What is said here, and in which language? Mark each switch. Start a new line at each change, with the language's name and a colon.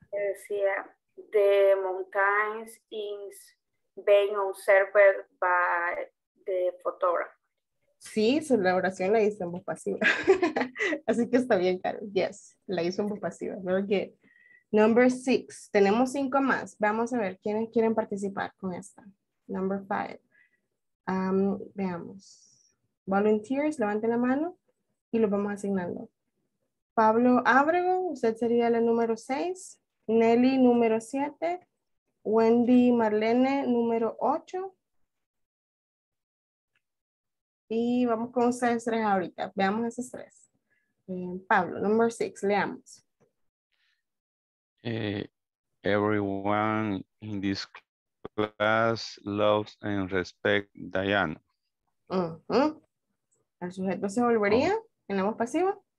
Spanish: Que decía,
English: the mountains is being observed by the photographer.
Spanish: Sí, su oración la hizo en voz pasiva. Así que está bien, Carol. Yes, la hizo en voz pasiva.
English: Very good. Number six.
Spanish: Tenemos cinco más. Vamos a ver quiénes quieren participar con esta.
English: Number five.
Spanish: Veamos.
English: Volunteers,
Spanish: levanten la mano y los vamos asignando. Pablo Abrego, usted sería la número 6. Nelly, número 7. Wendy Marlene, número 8. Y vamos con ustedes tres ahorita. Veamos esos tres. Pablo,
English: number 6,
Spanish: leamos.
English: Everyone in this class loves and respects Diana.
Spanish: ¿El sujeto se volvería en la voz pasiva?